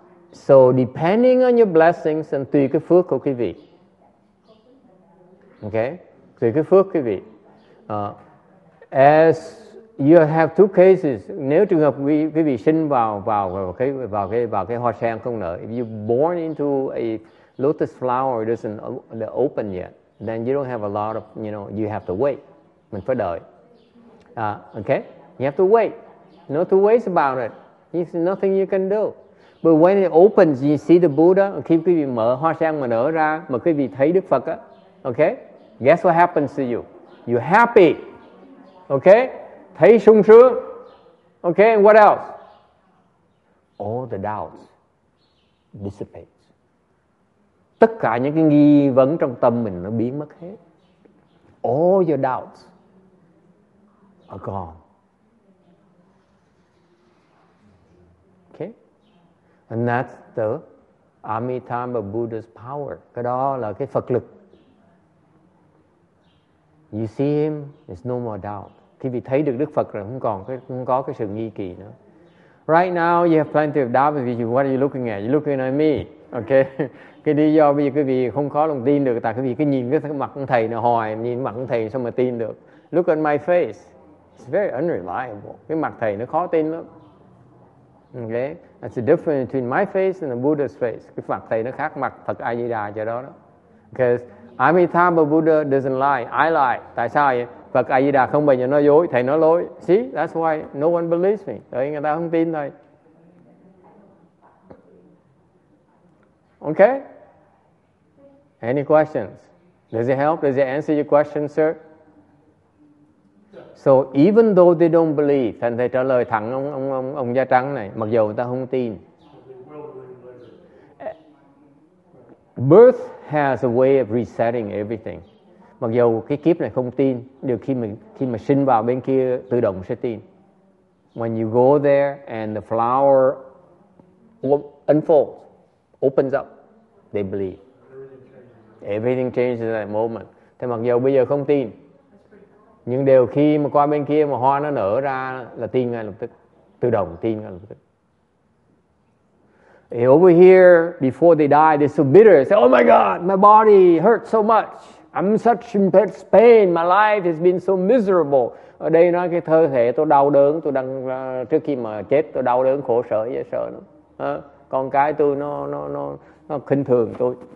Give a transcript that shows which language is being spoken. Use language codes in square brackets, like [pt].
[en] So depending on your blessings and [vi] tùy cái phước của quý vị. Okay, tùy cái phước quý vị. [en] As you have two cases. [vi] Nếu trường hợp quý vị sinh vào cái hoa sen không nở. [en] If you born into a lotus flower, it doesn't open yet. Then you don't have a lot of, you know, you have to wait. [vi] Mình phải đợi. [en] Okay? You have to wait. No two ways about it. There's nothing you can do. But when it opens, you see the Buddha. [vi] Khi quý vị mở hoa sen mà nở ra, mà quý vị thấy Đức Phật á. [en] Okay? Guess what happens to you? You're happy. Okay? [vi] Thấy sung sướng. [en] Okay? And what else? All the doubts dissipate. [vi] Tất cả những cái nghi vấn trong tâm mình nó biến mất hết. [en] All your doubts are gone. Okay? And that's the Amitabha Buddha's power. [vi] Cái đó là cái Phật lực. [en] You see him, there's no more doubt. [vi] Khi vì thấy được Đức Phật rồi, không có cái sự nghi kỳ nữa. [en] Right now, you have plenty of doubt with you. What are you looking at? You're looking at me. Okay? [vi] Cái lý do bây giờ quý vị không khó lòng tin được, tại quý vị cứ nhìn cái mặt ông thầy này hoài, nhìn mặt ông thầy sao mà tin được. [en] Look at my face. It's very unreliable. [vi] Cái mặt thầy nó khó tin lắm. [en] Okay? That's the difference between my face and the Buddha's face. [vi] Cái mặt thầy nó khác mặt Phật A Di Đà cho đó đó. [en] Because Amitabha Buddha doesn't lie. I lie. [vi] Tại sao vậy? Phật A Di Đà không bao giờ nói dối, thầy nói lối. [en] See? That's why no one believes me. [vi] Tại người ta không tin thầy. [en] Okay? Any questions? Does it help? Does it answer your question, sir? So even though they don't believe, [vi] thành thầy trả lời thẳng ông da trắng này, mặc dù người ta không tin. [en] Birth has a way of resetting everything. [vi] Mặc dù cái kiếp này không tin, được khi mà sinh vào bên kia tự động sẽ tin. [en] When you go there and the flower unfolds, opens up, they believe. Everything changes at that moment. [vi] Thế mặc dù bây giờ không tin, nhưng đều khi mà qua bên kia mà hoa nó nở ra là tin ngay lập tức. Tự động tin ngay lập tức. [en] Over here, before they die, they're so bitter. They say, oh my God, my body hurts so much. I'm such in pain. My life has been so miserable. [vi] Ở đây nói cái cơ thể tôi đau đớn. Tôi đang trước khi mà chết tôi đau đớn, khổ sở, dễ sợ lắm. Con cái tôi nó khinh thường tôi.